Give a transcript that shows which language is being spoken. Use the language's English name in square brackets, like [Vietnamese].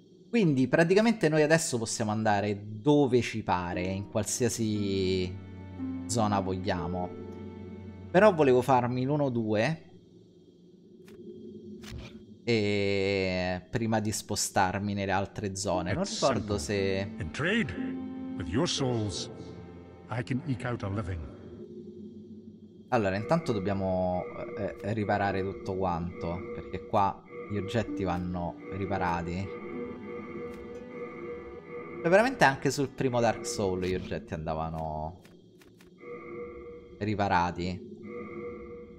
[Italian] Quindi praticamente noi adesso possiamo andare dove ci pare, in qualsiasi zona vogliamo. Però volevo farmi l'1-2 e prima di spostarmi nelle altre zone. Non ricordo se [English] in trade with your souls I can eke out a living. [Italian] Allora, intanto dobbiamo riparare tutto quanto, perché qua gli oggetti vanno riparati. Cioè, veramente anche sul primo Dark Souls gli oggetti andavano riparati.